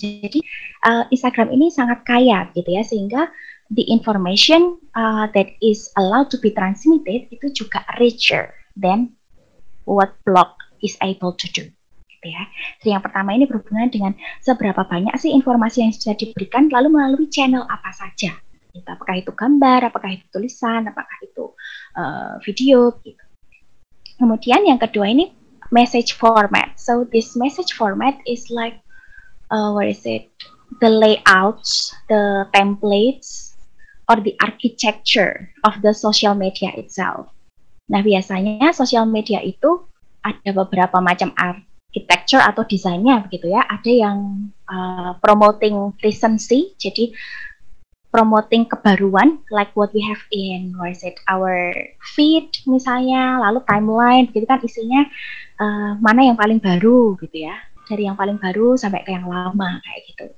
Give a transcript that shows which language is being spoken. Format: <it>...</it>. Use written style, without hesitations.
<id>Jadi Instagram ini sangat kaya, gitu ya, sehingga</id> <en>the information that is allowed to be transmitted</en> <id>itu juga</id> <en>richer than what blog is able to do,</en> <id>gitu ya. Jadi yang pertama ini berhubungan dengan seberapa banyak sih informasi yang sudah diberikan, lalu melalui channel apa saja. Apakah itu gambar, apakah itu tulisan, apakah itu video, gitu. Kemudian yang kedua ini message format.</id> <en>So this message format is like the layouts, the templates, or the architecture of the social media itself.</en> <id>Nah, biasanya social media itu ada beberapa macam architecture atau desainnya, begitu ya. Ada yang promoting recency, jadi promoting kebaruan,</id> <en>like what we have in our feed</en> <id>misalnya, lalu timeline, gitu kan, isinya mana yang paling baru, gitu ya, dari yang paling baru sampai ke yang lama, kayak gitu.</id>